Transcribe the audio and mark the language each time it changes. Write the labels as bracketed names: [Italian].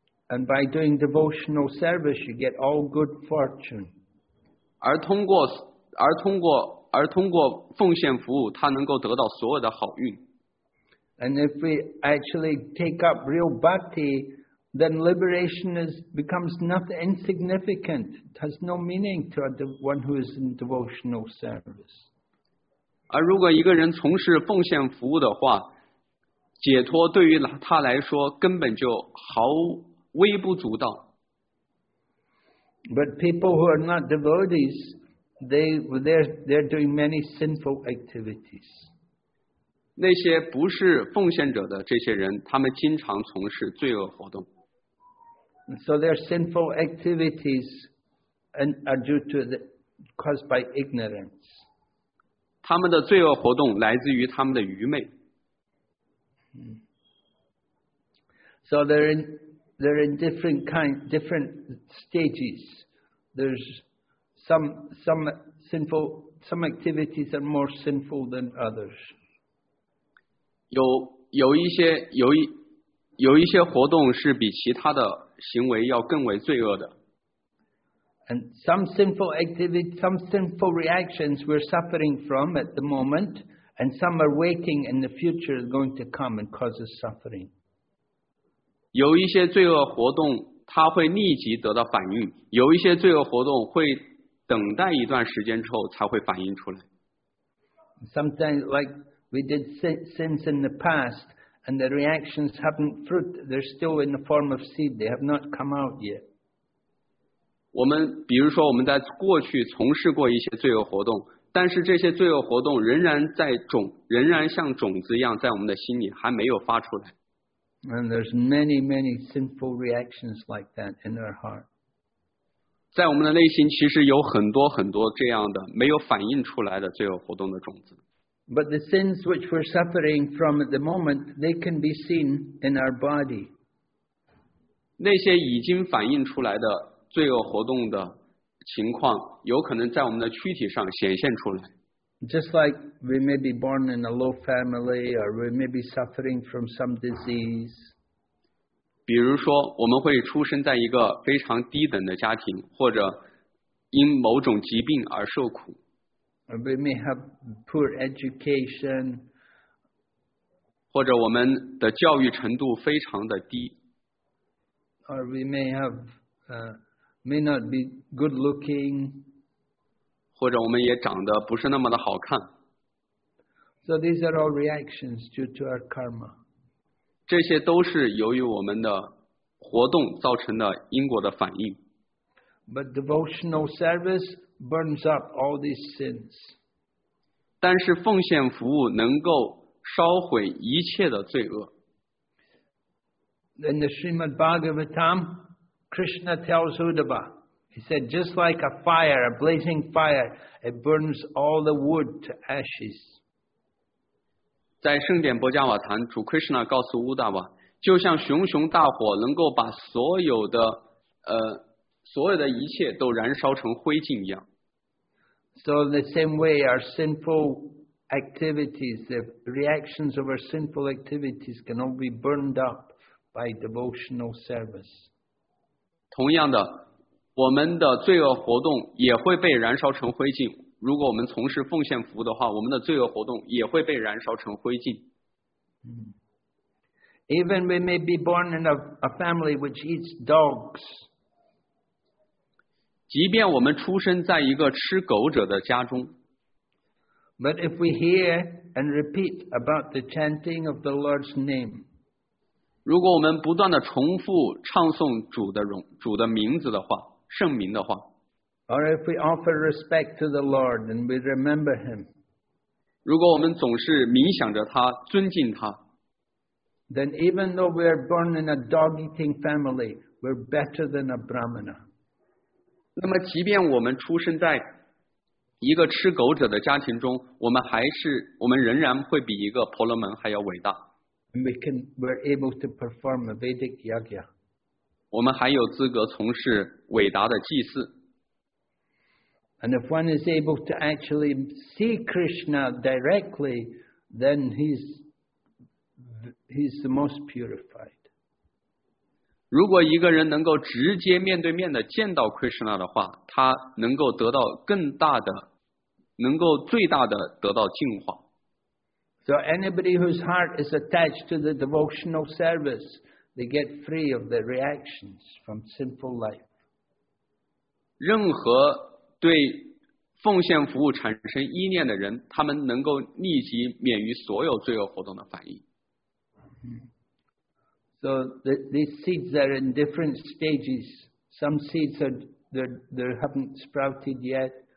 [English] And by doing devotional service, you get all good fortune. [Chinese] 而通过奉献服务，他能够得到所有的好运。 [English] And if we actually take up real bhakti, then liberation becomes nothing insignificant. It has no meaning to one who is in devotional service. [Chinese] 而如果一个人从事奉献服务的话，解脱对于他来说根本就毫微不足道。 [English] But people who are not devotees, they're doing many sinful activities. [Chinese] 那些不是奉献者的这些人，他们经常从事罪恶活动。 [English] So their sinful activities are due to the caused by ignorance. [Chinese] 他们的罪恶活动来自于他们的愚昧。 [English] So they're in different stages. There's some activities are more sinful than others. [Chinese] 有一些活动是比其他的行为要更为罪恶的。 [English] And some sinful reactions we're suffering from at the moment, and some are waiting in the future is going to come and causes suffering. [Chinese] 有一些罪恶活动它会立即得到反应，有一些罪恶活动会等待一段时间之后才会反应出来。 [English] Sometimes like we did sins in the past. And the reactions haven't fruit. They're still in the form of seed. They have not come out yet. [Chinese] 我们比如说我们在过去从事过一些罪恶活动，但是这些罪恶活动仍然像种子一样在我们的心里还没有发出来。 [English] And there's many, many sinful reactions like that in our heart. [Chinese] 在我们的内心其实有很多很多这样的没有反映出来的罪恶活动的种子。 [English] But the sins which we're suffering from at the moment, they can be seen in our body. [Chinese] 那些已经反映出来的罪恶活动的情况有可能在我们的躯体上显现出来。 [English] Just like we may be born in a low family or we may be suffering from some disease. [Chinese] 比如说我们会出生在一个非常低等的家庭或者因某种疾病而受苦。 [English] We may have poor education. [Chinese] 或者我们的教育程度非常的低。 [English] Or we may have, may not be good looking. [Chinese] 或者我们也长得不是那么的好看。 [English] So these are all reactions due to our karma. [Chinese] 这些都是由于我们的活动造成的因果的反应。 [English] But devotional service burns up all these sins. [Chinese] 但是奉献服务能够烧毁一切的罪恶。 [English] In the Srimad Bhagavatam, Krishna tells Uddhava, he said, just like a fire, a blazing fire, it burns all the wood to ashes. [Chinese] 在圣典波迦瓦坛，主 Krishna 告诉 Uddhava， 就像熊熊大火能够把所有的一切都燃烧成灰烬一样。 [English] So in the same way, our sinful activities, the reactions of our sinful activities can all be burned up. By devotional service. [Chinese] 同样的，我们的罪恶活动也会被燃烧成灰烬。如果我们从事奉献服务的话，我们的罪恶活动也会被燃烧成灰烬。 [English] Even we may be born in a family which eats dogs. [Chinese] 即便我们出生在一个吃狗者的家中。 [English] But if we hear and repeat about the chanting of the Lord's name. [Chinese] 如果我们不断地重复唱诵主的名字的话，圣名的话， [English] or if we offer respect to the Lord and we remember Him， [Chinese] 如果我们总是冥想着他，尊敬他， [English] then even though we are born in a dog-eating family, we're better than a Brahmana。 [Chinese] 那么，即便我们出生在一个吃狗者的家庭中，我们仍然会比一个婆罗门还要伟大。 [English] And we're able to perform a Vedic yagya. [Chinese] 我们还有资格从事伟大的祭祀。 [English] And if one is able to actually see Krishna directly, then he's the most purified. [Chinese] 如果一个人能够直接面对面的见到 Krishna 的话，他能够得到更大的，能够最大的得到净化。 [English] So anybody whose heart is attached to the devotional service, they get free of the reactions from sinful life. [Chinese] 任何对奉献服务产生依念的人，他们能够立即免于所有罪恶活动的反应。 [English] So these seeds are in different stages. Some seeds they haven't sprouted yet.